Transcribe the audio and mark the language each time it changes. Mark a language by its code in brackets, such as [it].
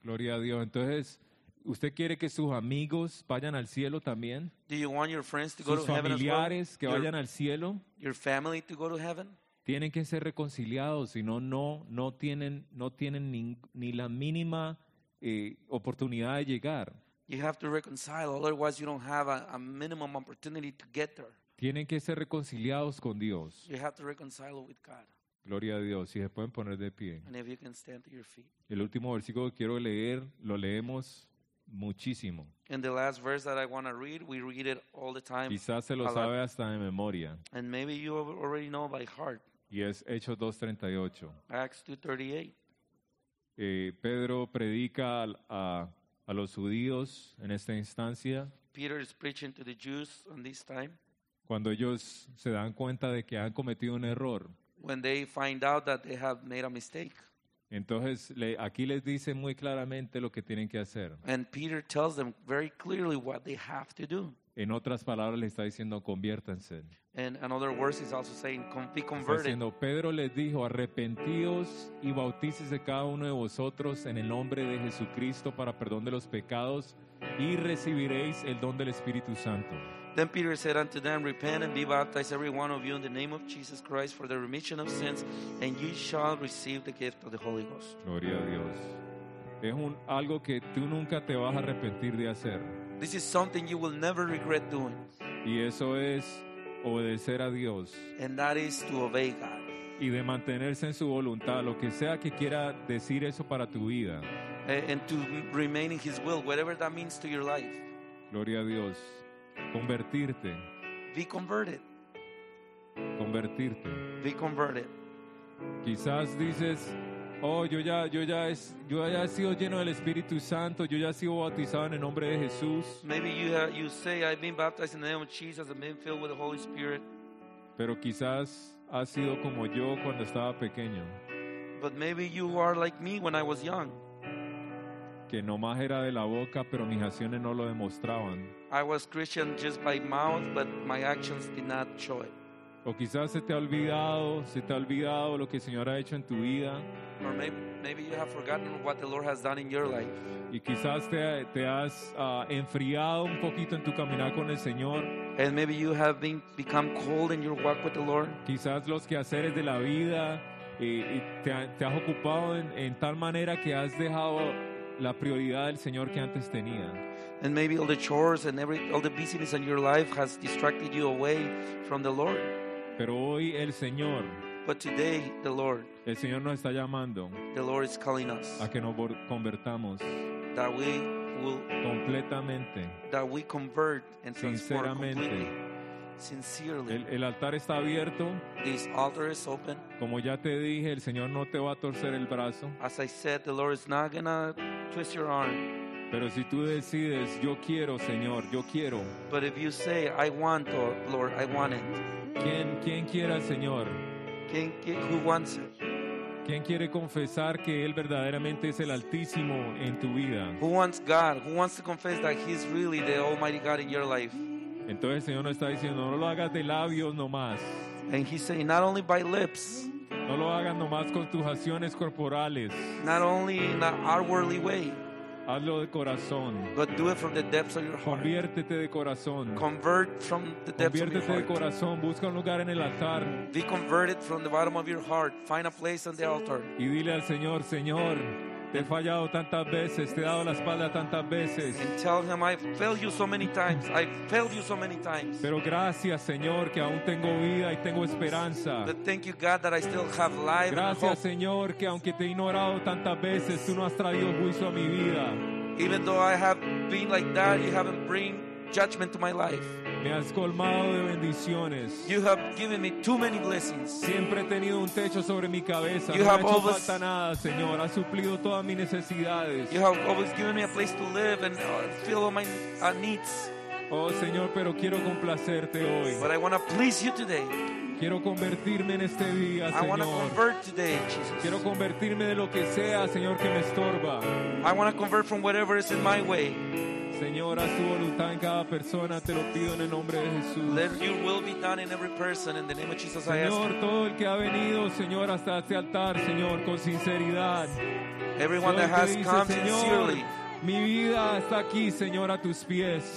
[es] Gloria a Dios. Entonces, ¿usted quiere que sus amigos vayan al cielo también? [en] Do you want your friends to go to heaven as well? [es] Sus familiares que vayan al cielo. [en] Your family to go to heaven? [es] Tienen que ser reconciliados, si no tienen ni la mínima oportunidad de llegar. [en] You have to reconcile, otherwise you don't have a minimum opportunity to get there. [es] Tienen que ser reconciliados con Dios. [en] You have to reconcile with God. [es] Gloria a Dios. Si se pueden poner de pie. [en] And if you can stand to your feet. [es] El último versículo que quiero leer, lo leemos muchísimo. [en] And the last verse that I want to read, we read it all the time. [es] Quizás se lo sabe hasta de memoria. [en] And maybe you already know by heart. [es] Y es Hechos 2:38. [en] Acts 2:38. [es] Pedro predica a los judíos en esta instancia. [en] Peter is preaching to the Jews on this time. [es] Cuando ellos se dan cuenta de que han cometido un error. [en] When they find out that they have made a mistake. [es] Entonces aquí les dice muy claramente lo que tienen que hacer. [en] And Peter tells them very clearly what they have to do. [es] En otras palabras, les está diciendo, conviértanse. [en] And in other words, he's also saying, be converted. [es] Diciendo, Pedro les dijo, arrepentíos y bautícese cada uno de vosotros en el nombre de Jesucristo para perdón de los pecados, y recibiréis el don del Espíritu Santo. [en] Then Peter said unto them, repent and be baptized every one of you in the name of Jesus Christ for the remission of sins, and you shall receive the gift of the Holy Ghost. [es] Gloria a Dios. Es algo que tú nunca te vas a arrepentir de hacer. [en] This is something you will never regret doing. [es] Y eso es obedecer a Dios. [en] And that is to obey God. [es] Y de mantenerse en su voluntad, lo que sea que quiera decir eso para tu vida. [en] And to remain in his will, whatever that means to your life. [es] Gloria a Dios. Convertirte. [en] Be converted. [es] Convertirte. [en] Be converted. [es] Quizás dices, oh, yo ya he sido lleno del Espíritu Santo. Yo ya he sido bautizado en el nombre de Jesús. [en] Maybe you say I've been baptized in the name of Jesus and been filled with the Holy Spirit. [es] Pero quizás has sido como yo cuando estaba pequeño. [en] But maybe you are like me when I was young. [es] Que nomás era de la boca, pero mis acciones no lo demostraban. [en] I was Christian just by mouth, but my actions did not show it. [es] O quizás se te ha olvidado lo que el Señor ha hecho en tu vida. [en] Or maybe you have forgotten what the Lord has done in your life. [es] Y quizás te has enfriado un poquito en tu caminar con el Señor. [en] And maybe you have become cold in your walk with the Lord. [es] Quizás los quehaceres de la vida te has ocupado en tal manera que has dejado la prioridad del Señor que antes tenía. [en] And maybe all the chores and all the busyness in your life has distracted you away from the Lord. [es] Pero hoy el Señor. [en] But today the Lord. [es] El Señor nos está llamando. [en] The Lord is calling us. [es] A que nos convertamos. [en] That we will. [es] Completamente. [en] That we convert and [es] sinceramente. [en] Transform completely. Sincerely. [es] El altar está abierto. [en] This altar is open. [es] Como ya te dije, el Señor no te va a torcer el brazo. [en] As I said, the Lord is not gonna twist your arm. [es] Pero si tú decides, yo quiero, Señor, yo quiero. [en] But if you say, I want, Lord, I want it. [es] ¿Quién quiera, Señor? [en] Who wants it? [es] ¿Quién quiere confesar que Él verdaderamente es el Altísimo en tu vida? [en] Who wants God? Who wants to confess that He's really the Almighty God in your life? [es] Entonces el Señor nos está diciendo, no lo hagas de labios nomás. [en] And He's saying, not only by lips. [es] No lo hagas nomás con tus acciones corporales. [en] Not only in an outwardly way. [es] Hazlo de corazón. [en] But do it from the depths of your heart. [es] Conviértete de corazón. [en] Convert from the depths of your heart. [es] Conviértete de corazón. Busca un lugar en el altar. [en] Be converted from the bottom of your heart. Find a place on the altar. [es] Y dile al Señor, Señor, te he fallado tantas veces, te he dado la espalda tantas veces. [en] And tell him, I failed you so many times. I failed you so many times. [es] Pero gracias, Señor, que aún tengo vida y tengo esperanza. [en] But thank you, God, that I still have life. [es] Gracias, [en] and hope. [es] Señor, que aunque te he ignorado tantas veces, tú no has traído juicio a mi vida. [en] Even though I have been like that, you haven't bring judgment to my life. [es] Me has colmado de bendiciones. [en] You have given me too many blessings. [es] Siempre he tenido un techo sobre mi cabeza. [en] You no have me always [es] hecho falta nada, Señor. Has suplido todas mis necesidades. [en] You have always given me a place to live and fill all my needs. [es] Oh, Señor, pero quiero complacerte hoy. [en] But I want to please you today. [es] Quiero convertirme en este día, Señor. [en] I want to convert today, Jesus. [es] Quiero convertirme de lo que sea, Señor, que me estorba. [en] I want to convert from whatever is in my way. [es] Señor, haz tu voluntad en cada persona, te lo pido en el nombre de Jesús. [en] Let your will be done in every person in the name of Jesus. [es] Señor, todo el que ha venido, Señor, hasta este altar, Señor, con sinceridad. [en] Everyone that has come sincerely. [es] Mi vida está aquí, Señor, a tus pies.